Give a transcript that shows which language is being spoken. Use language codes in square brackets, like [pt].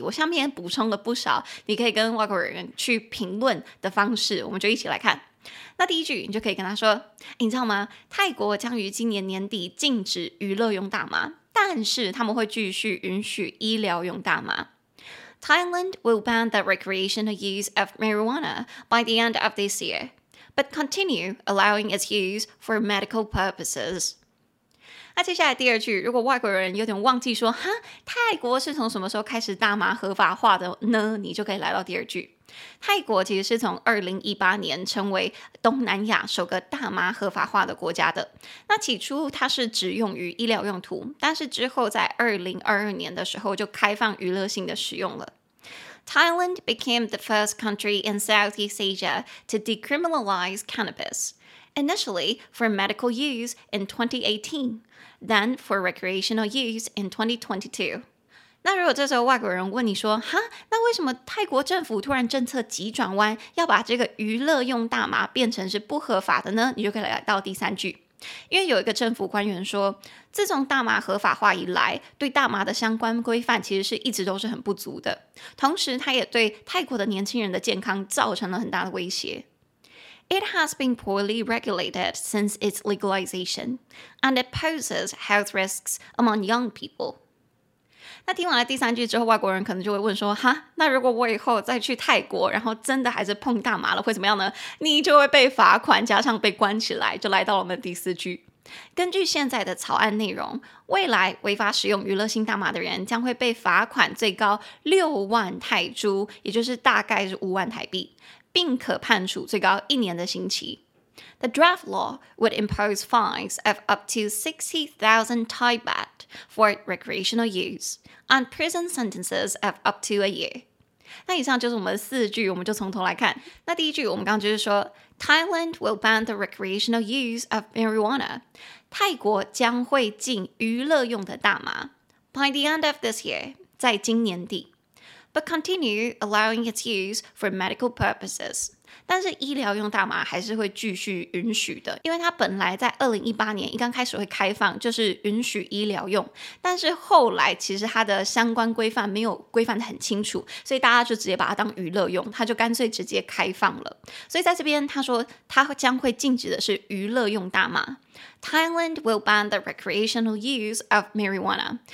[zh] 我下面补充了不少你可以跟外国人去评论的方式，我们就一起来看。那第一句你就可以跟他说，你知道吗，泰国将于今年年底禁止娱乐用大麻，但是他们会继续允许医疗用大麻。 [en] Thailand will ban the recreational use of marijuana by the end of this year but continue allowing its use for medical purposes。 [zh] 那接下来第二句，如果外国人有点忘记说，哈，泰国是从什么时候开始大麻合法化的呢，你就可以来到第二句。泰国其实是从2018年成为东南亚首个大麻合法化的国家的。那起初它是只用于医疗用途，但是之后在2022年的时候就开放娱乐性的使用了。 [en] Thailand became the first country in Southeast Asia to decriminalize cannabis initially for medical use in 2018. Then for recreational use in 2022. [zh] 那如果这时候外国人问你说，哈，那为什么泰国政府突然政策急转弯，要把这个娱乐用大麻变成是不合法的呢？你就可以来到第三句。因为有一个政府官员说，自从大麻合法化以来，对大麻的相关规范其实是一直都是很不足的。同时他也对泰国的年轻人的健康造成了很大的威胁。 [en] It has been poorly regulated since its legalization, and it poses health risks among young people. [zh] 那听完了第三句之后，外国人可能就会问说，哈，那如果我以后再去泰国，然后真的还是碰大麻了，会怎么样呢？你就会被罚款，加上被关起来，就来到了我们第四句。根据现在的草案内容，未来违法使用娱乐性大麻的人将会被罚款最高60,000泰铢，也就是大概是50,000台币，并可判处最高1年的刑期。 [en] The draft law would impose fines of up to 60,000 Thai baht for recreational use and prison sentences of up to a year. [zh] 那以上就是我们四句，我们就从头来看。那第一句我们刚刚就是说 [en] Thailand will ban the recreational use of marijuana. [zh] 泰国将会禁娱乐用的大麻。 [en] By the end of this year, [zh] 在今年底。 [en] But continue allowing its use for medical purposes. [zh] 但是医疗用大麻还是会继续允许的，因为它本来在2018年一刚开始会开放，就是允许医疗用，但是后来其实它的相关规范没有规范得很清楚，所以大家就直接把它当娱乐用，它就干脆直接开放了。所以在这边他说他将会禁止的是娱乐用大麻。 [en] Thailand will ban the recreational use of marijuana.